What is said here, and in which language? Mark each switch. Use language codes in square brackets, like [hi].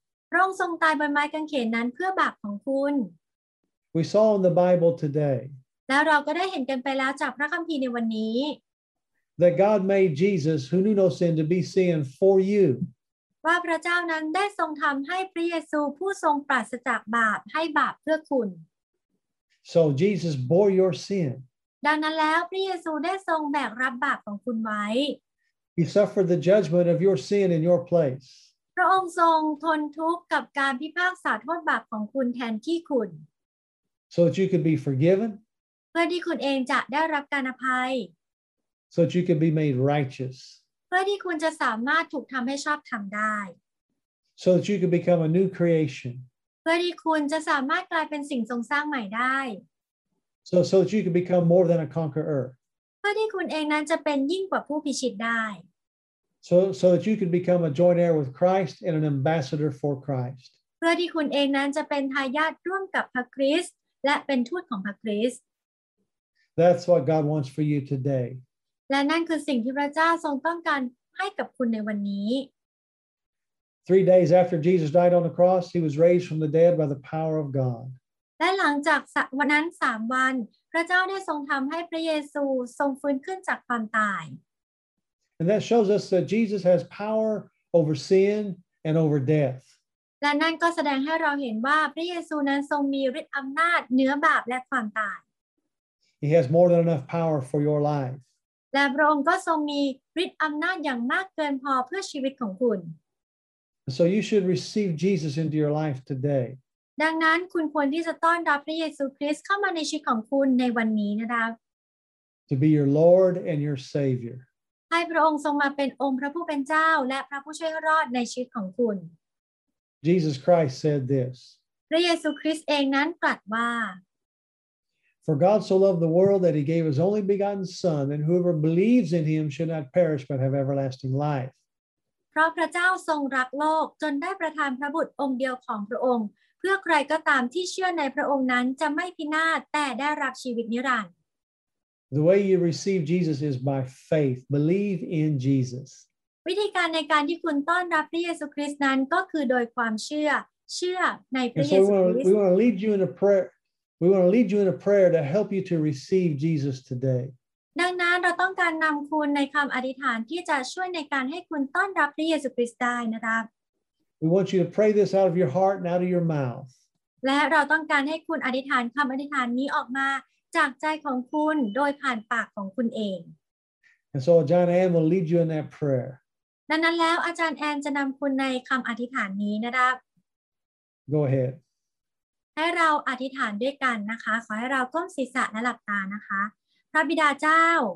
[th] พระองค์ทรงตายบนไม้กางเขนนั้นเพื่อบาปของคุณ [en] We saw in the Bible today [th] แล้วเราก็ได้เห็นกันไปแล้วจากพระคัมภีร์ในวันนี้ [en] That God made Jesus who knew no sin to be sin for you [th] ว่าพระเจ้านั้นได้ทรงทำให้พระเยซูผู้ทรงปราศจากบาปให้บาปเพื่อคุณ [en] So Jesus bore your sin [th] ดังนั้นแล้วพระเยซูได้ทรงแบกรับบาปของคุณไว้ [en] He suffered the judgment of your sin in your place [th] พระองค์ทรงทนทุกข์กับการพิพากษาโทษบาปของคุณแทนที่คุณ [en] So that you could be forgiven [th] เพื่อที่คุณเองจะได้รับการอภัย [en] So that you could be made righteous [th] เพื่อที่คุณจะสามารถถูกทำให้ชอบธรรมได้ [en] So that you could become a new creation [th] เพื่อที่คุณจะสามารถกลายเป็นสิ่งทรงสร้างใหม่ได้ [en] So that you could become more than a conqueror [th] เพื่อที่คุณเองนั้นจะเป็นยิ่งกว่าผู้พิชิตได้ [en] So that you could become a joint heir with Christ and an ambassador for Christ. [th] เพื่อที่คุณเองนั้นจะเป็นทายาทร่วมกับพระคริสต์และเป็นทูตของพระคริสต์ [en] That's what God wants for you today. [th] และนั่นคือสิ่งที่พระเจ้าทรงต้องการให้กับคุณในวันนี้ [en] 3 days after Jesus died on the cross, he was raised from the dead by the power of God. [th] และหลังจากวันนั้น 3 วันพระเจ้าได้ทรงทำให้พระเยซูทรงฟื้นขึ้นจากความตาย [en] And that shows us that Jesus has power over sin and over death. [th] และนั่นก็แสดงให้เราเห็นว่าพระเยซูนั้นทรงมีฤทธิ์อำนาจเหนือบาปและความตาย [en] He has more than enough power for your life. [th] และพระองค์ก็ทรงมีฤทธิ์อำนาจอย่างมากเกินพอเพื่อชีวิตของคุณ [en] So you should receive Jesus into your life today. [th] ดังนั้นคุณควรที่จะต้อนรับพระเยซูคริสต์เข้ามาในชีวิตของคุณในวันนี้นะครับ [en] To be your Lord and your Savior. [th] ให้พระองค์ทรงมาเป็นองค์พระผู้เป็นเจ้าและพระผู้ช่วยรอดในชีวิตของคุณ [en] Jesus Christ said this [th] พระเยซูคริสต์เองนั้นตรัสว่า [en] For God so loved the world that he gave his only begotten son and whoever believes in him should not perish but have everlasting life [th] เพราะพระเจ้าทรงรักโลกจนได้ประทานพระบุตรองค์เดียวของพระองค์เพื่อใครก็ตามที่เชื่อในพระองค์นั้นจะไม่พินาศแต่ได้รับชีวิตนิรันดร์ [en] The way you receive Jesus is by faith. Believe in Jesus. [th] วิธีการในการที่คุณต้อนรับพระเยซูคริสต์นั้นก็คือโดยความเชื่อในพระเยซูคริสต์ [en] We want to lead you in a prayer. We want to lead you in a prayer to help you to receive Jesus today. [th] ดังนั้นเราต้องการนำคุณในคำอธิษฐานที่จะช่วยในการให้คุณต้อนรับพระเยซูคริสต์ได้นะครับ [en] We want you to pray this out of your heart and out of your mouth. [th] และเราต้องการให้คุณอธิษฐานคำอธิษฐานนี้ออกมาจากใจของคุณโดยผ่านปากของคุณเอง [en] And so John Ann will lead you in that prayer. [th] ดังนั้นแล้วอาจารย์แอนจะนำคุณในคำอธิษฐานนี้นะครับ [en] Go ahead. [th] ให้เราอธิษฐานด้วยกันนะคะขอให้เราก้มศีรษะและหลับตานะคะพระบิดาเจ้า